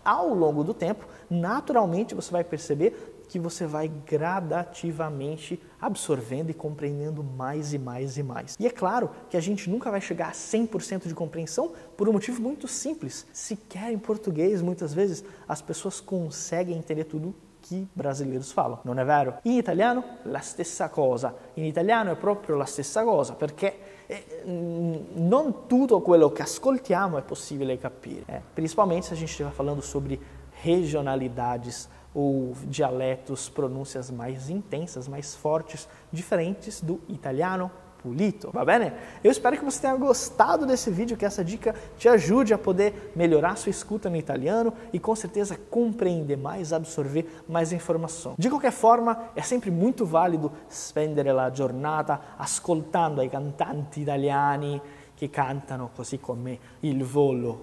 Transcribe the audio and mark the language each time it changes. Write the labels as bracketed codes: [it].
[pt] Ao longo do tempo, naturalmente, você vai perceber que você vai gradativamente absorvendo e compreendendo mais e mais e mais. E é claro que a gente nunca vai chegar a 100% de compreensão por um motivo muito simples. Sequer em português, muitas vezes, as pessoas conseguem entender tudo que brasileiros falam. [it] Non è vero? In italiano, la stessa cosa. In italiano è proprio la stessa cosa, perché non tutto quello che ascoltiamo è possibile capire. [pt] Principalmente se a gente estiver falando sobre regionalidades ou dialetos, pronúncias mais intensas, mais fortes, diferentes do [it] italiano pulito, va bene? [pt] Eu espero que você tenha gostado desse vídeo, que essa dica te ajude a poder melhorar sua escuta no italiano e com certeza compreender mais, absorver mais informação. De qualquer forma, é sempre muito válido [it] spendere la giornata ascoltando ai cantanti italiani che cantano così come il volo.